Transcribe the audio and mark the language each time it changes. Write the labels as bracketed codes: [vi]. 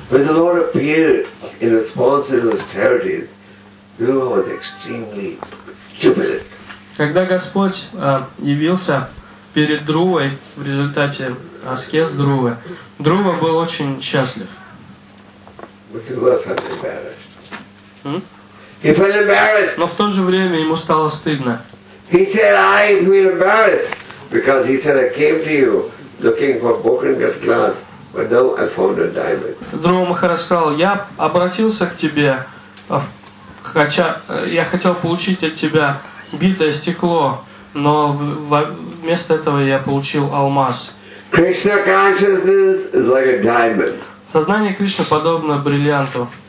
[en] When the Lord appeared in response to his charities, Druva was extremely jubilant. [ru] Когда Господь явился перед Друвой в результате аскез Друвы, Друва был очень счастлив. [en] He felt embarrassed. [ru] Но в то же время ему стало стыдно. [en] He said, "I feel embarrassed because he said I came to you looking for broken glass, but now I found a diamond." [ru] Друва Махарадж сказал, "Я обратился к тебе, хотя я хотел получить от тебя битое стекло, но вместо этого я получил алмаз." [en] Krishna consciousness is like a diamond. [ru] Сознание Кришны подобно бриллианту,